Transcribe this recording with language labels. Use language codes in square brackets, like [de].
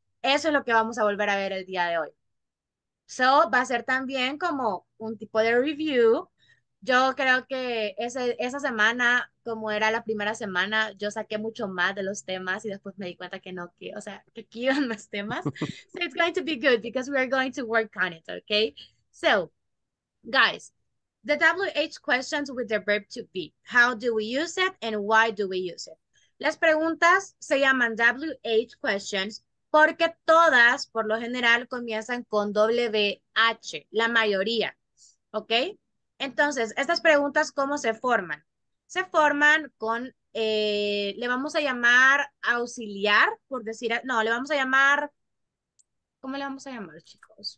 [es] Eso es lo que vamos a volver a ver el día de hoy. So, va a ser también como un tipo de review. Yo creo que esa semana, como era la primera semana, yo saqué mucho más de los temas y después me di cuenta que no, que, o sea, que aquí iban más temas. [en] So, it's going to be good because we are going to work on it, okay? So, guys, the WH questions with the verb to be. How do we use it and why do we use it? [es] Las preguntas se llaman WH questions porque todas, por lo general, comienzan con WH, la mayoría, ¿ok? Entonces, estas preguntas, ¿cómo se forman? Se forman con, le vamos a llamar auxiliar, por decir, no, le vamos a llamar, ¿cómo le vamos a llamar, chicos?